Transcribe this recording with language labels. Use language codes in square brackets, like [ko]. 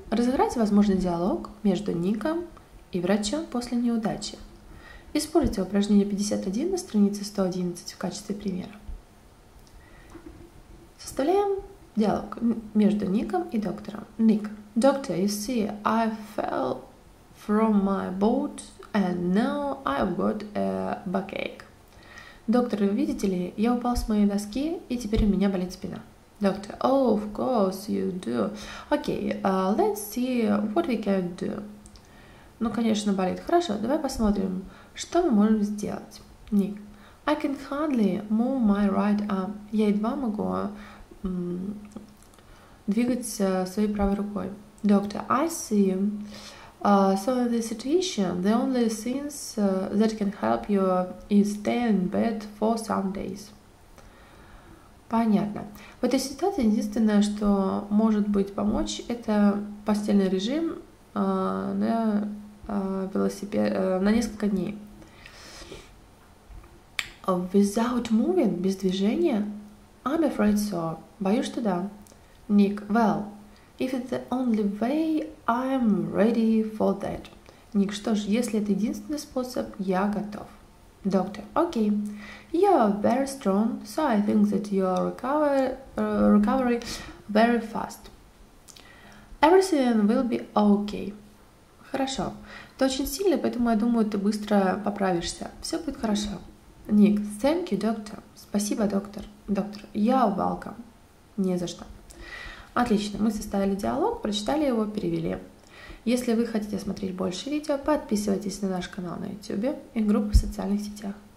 [ru] Разыграть возможный диалог между Ником и врачом после неудачи. Используйте упражнение 51 на странице 111 в качестве примера. Составляем диалог между Ником и доктором. Ник. [en] Doctor, you see, I fell from my boat and now I've got a backache. [ru] Доктор, видите ли, я упал с моей доски и теперь у меня болит спина. [en] Doctor, oh, of course you do. Okay, let's see what we can do. [ru] Ну, конечно, болит. Хорошо, давай посмотрим, что мы можем сделать. [en] Ник. I can hardly move my right arm. [ru] Я едва могу двигать своей правой рукой. [en] Doctor, I see. So in this situation, the only things that can help you is stay in bed for some days. [ru] Понятно. В этой ситуации единственное, что может быть помочь, это постельный режим на велосипед на несколько дней. [en] Without moving, [ru] без движения, [en] I'm afraid so. [ru] Боюсь, что да. [en] Ник, well, if it's the only way, I'm ready for that. [ru] Ник, что ж, если это единственный способ, я готов. [en] Доктор, okay, you're very strong, so I think that your recovery very fast. Everything will be okay. [ru] Хорошо. Ты очень сильный, поэтому я думаю, ты быстро поправишься. Все будет хорошо. Ник, [en] thank you, doctor. [ru] Спасибо, доктор. Доктор, [en] you're welcome. [ru] Не за что. Отлично, мы составили диалог, прочитали его, перевели. Если вы хотите смотреть больше видео, подписывайтесь на наш канал на YouTube и группу в социальных сетях.